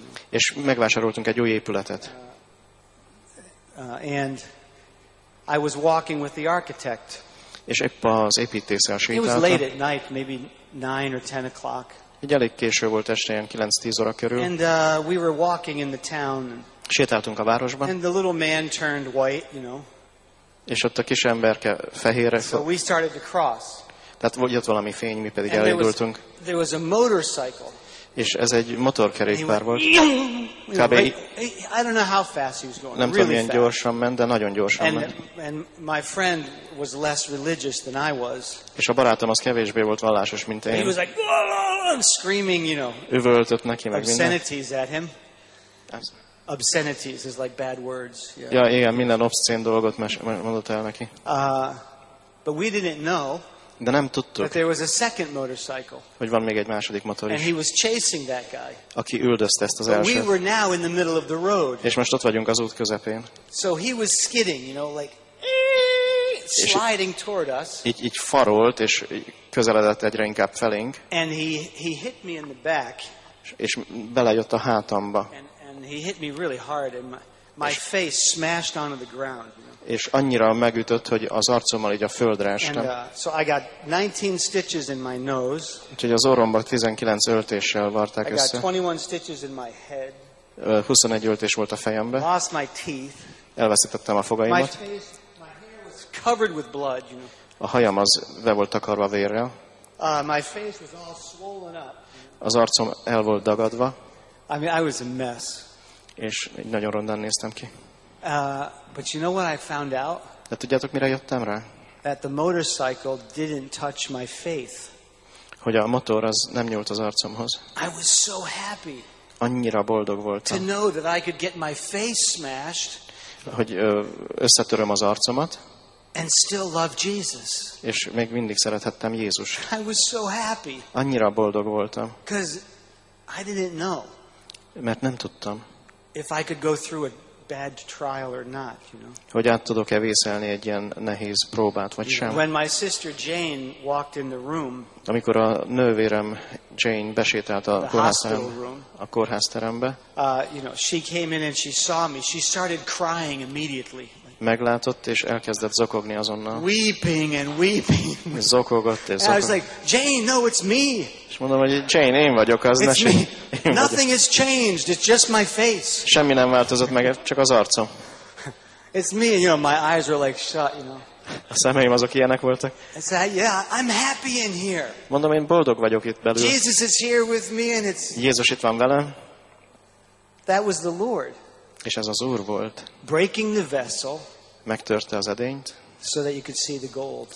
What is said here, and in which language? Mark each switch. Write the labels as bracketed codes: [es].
[hu] És megvásároltunk egy új épületet. [en] And I was walking with the architect. [hu] És épp az építéssel sétáltam. [en] It was late at night, maybe 9 or 10 o'clock. [hu] Egy elég késő volt este, ilyen 9-10 óra körül. [en] And we were walking in the town. [hu] Sétáltunk a városban. [en] And the little man turned white, you know. [hu] És ott a kis emberke fehérre. [en] So we started to cross. [hu] Tehát volt ott valami fény, mi pedig elindultunk. [en] There was a motorcycle. [hu] És ez egy motorkerékpár volt. [en] I don't know how fast he was going. [hu] Nem tudom, milyen gyorsan ment, de nagyon gyorsan ment. [en] And my friend was less religious than I was. [hu] És a barátom az kevésbé volt vallásos, mint én. [en] And he was like, I'm screaming, you know. [hu] Üvöltött neki meg minden. [en] Obscenities at him. Obscenities is like bad words. Yeah. [hu] Ja, igen, minden obszcén dolgot mondott el neki. [en] But we didn't know. [hu] De nem tudtuk. [en] But there was a second motorcycle. [hu] Hogy van még egy második motor is. [en] And he was chasing that guy. [hu] Aki üldözte ezt az elsőt. [en] We were now in the middle of the road. [hu] És most ott vagyunk az út közepén. [en] So he was skidding, you know, like sliding toward us. [hu] Így farolt és közeledett egyre inkább felénk. [en] And he hit me in the back. [hu] És belejött a hátamba. [en] And he hit me really hard and my face smashed onto the ground. [hu] És annyira megütött, hogy az arcommal így a földre estem. [en] So I got 19 stitches in my nose. [hu] Úgyhogy az orromba 19 öltéssel varták össze. [en] I got 21 stitches in my head. [hu] 21 öltés volt a fejembe. [en] Lost my teeth. [hu] Elveszítettem a fogaimat. [en] My face, my hair was covered with blood, you know. [hu] A hajam az be volt takarva vérrel. [en] My face was all swollen up. [hu] Az arcom el volt dagadva. [en] I mean, I was a mess. [hu] És így nagyon rondán néztem ki. [en] But you know what I found out? [hu] De tudjátok, mire jöttem rá? [en] That the motorcycle didn't touch my face. [hu] Hogy a motor az nem nyúlt az arcomhoz. [en] I was so happy. [hu] Annyira boldog voltam. [en] To know that I could get my face smashed. [hu] Hogy összetöröm az arcomat. [en] And still love Jesus. [hu] És még mindig szerethettem Jézust. [en] I was so happy. [hu] Annyira boldog voltam. [en] 'Cause I didn't know. [hu] Mert nem tudtam. [en] If I could go through a bad trial or not, you know. [hu] Hogy át tudok-e vészelni egy ilyen nehéz próbát vagy sem. [en] When my sister Jane walked in the room. [hu] Amikor a nővérem Jane besétált a kórházterembe. [en] You know, she came in and she saw me. She started crying immediately. [hu] Meglátott és elkezdett zokogni azonnal. [en] Weeping and weeping. [hu] Zokogott és zokogott. [en] I was like, Jane, no, it's me. [hu] És mondom, hogy Jane, én vagyok az, ne sem. [en] Nothing has changed. It's just my face. [hu] Semmi nem változott meg, csak az arcom. [en] It's me, you know, my eyes were like shut, you know. [hu] A szemeim azok ilyenek voltak. [en] I said, yeah, I'm happy in here. [hu] Mondom, én boldog vagyok itt belül. [en] Jesus is here with me and it's. [hu] Jézus itt van velem. [en] That was the Lord. [hu] És ez az Úr volt. [en] Breaking the vessel. [hu] Megtörte az edényt. [en] So that you could see the gold.